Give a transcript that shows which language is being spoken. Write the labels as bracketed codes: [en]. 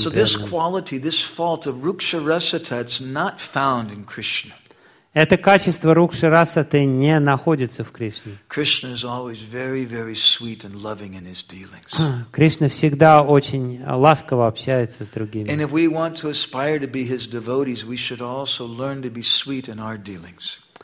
[en] So this quality, this fault of Ruksha Rasata, it's not found in Krishna. [ru] Это качество Рукша Расаты не находится в Кришне. [en] Krishna is always very, very sweet and loving in his dealings. [ru] Кришна всегда очень ласково общается с другими. [en] And if we want to aspire to be his devotees, we should also learn to be sweet in our dealings.